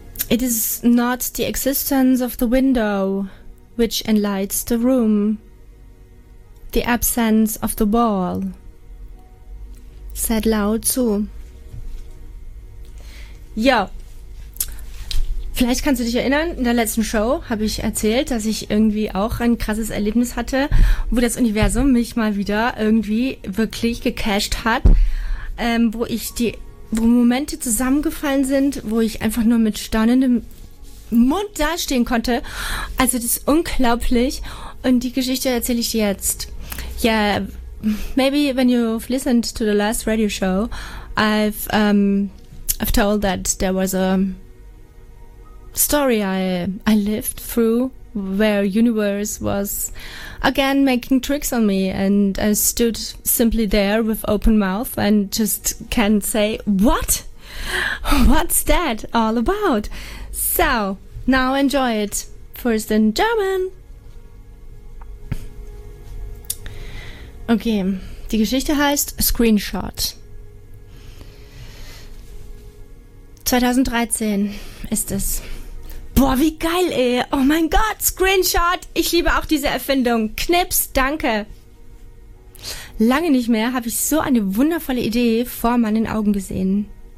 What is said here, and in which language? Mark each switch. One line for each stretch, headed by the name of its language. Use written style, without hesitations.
English: It is not the existence of the window which enlightens the room, the absence of the wall, said Lao Tzu.
German: Ja, vielleicht kannst du dich erinnern, in der letzten Show habe ich erzählt, dass ich irgendwie auch ein krasses Erlebnis hatte, wo das Universum mich mal wieder irgendwie wirklich gecasht hat, wo Momente zusammengefallen sind, wo ich einfach nur mit staunendem Mund dastehen konnte. Also das ist unglaublich. Und die Geschichte erzähle ich jetzt.
English: Yeah, maybe when you've listened to the last radio show, I've told that there was a story I lived through, where universe was again making tricks on me and I stood simply there with open mouth and just can't say what's that all about. So now enjoy it first in German.
German: Okay, die Geschichte heißt Screenshot. 2013 ist es. Boah, wie geil, ey. Oh mein Gott, Screenshot. Ich liebe auch diese Erfindung. Knips, danke. Lange nicht mehr habe ich so eine wundervolle Idee vor meinen Augen gesehen.